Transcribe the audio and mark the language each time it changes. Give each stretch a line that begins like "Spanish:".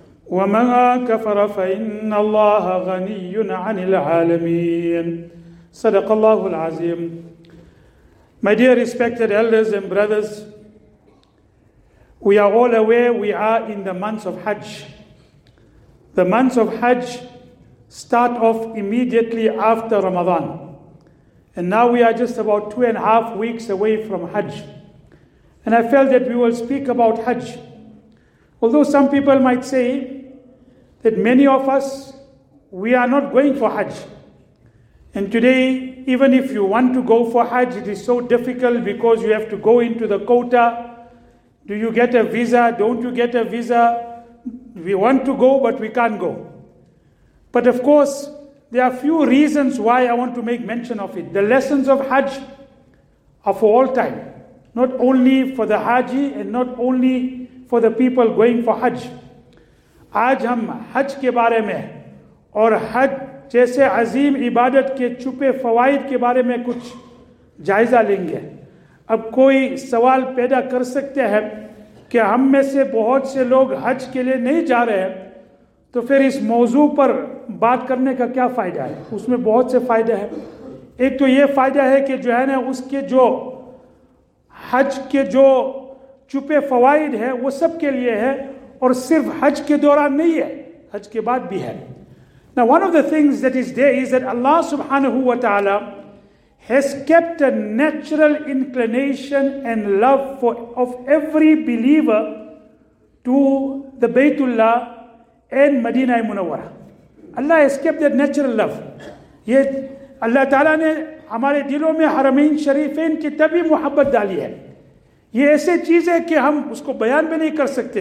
Arabic: ومن كفر فإن الله غني عن العالمين. صدق الله العظيم.
English: My dear respected elders and brothers, we are all aware we are in the month of Hajj. The month of Hajj start off immediately after Ramadan. And now we are just about 2.5 weeks away from Hajj. And I felt that we will speak about Hajj. Although some people might say that many of us, we are not going for Hajj. And today, even if you want to go for Hajj, it is so difficult because you have to go into the quota. Do you get a visa? Don't you get a visa? We want to go, but we can't go. But of course, there are a few reasons why I want to make mention of it. The lessons of Hajj are for all time, not only for the Haji and not only for the people going for Hajj.
Urdu: آج ہم حج کے بارے میں اور حج جیسے عظیم عبادت کے چھپے فوائد کے بارے میں کچھ جائزہ لیں گے. اب کوئی سوال پیدا کر سکتے ہیں کہ ہم میں سے بہت سے لوگ حج کے لیے نہیں جا رہے ہیں, تو پھر اس موضوع پر بات کرنے کا کیا فائدہ ہے؟ اس میں بہت سے فائدہ ہے. ایک تو یہ فائدہ ہے کہ جو ہے نا اس کے جو حج کے جو چھپے فوائد ہیں وہ سب کے لیے ہے, اور صرف حج کے دوران نہیں ہے, حج کے بعد بھی ہے.
English: Now one of the things that is there is that Allah subhanahu wa ta'ala has kept a natural inclination and love for of every believer to the Baytullah and Madinah Munawwara. Allah has kept that natural love.
Urdu: Yet Allah ta'ala نے ہمارے دلوں میں حرمین شریفین کی تبھی محبت ڈالی ہے. یہ ایسے چیز ہے کہ ہم اس کو بیان بھی نہیں کر سکتے.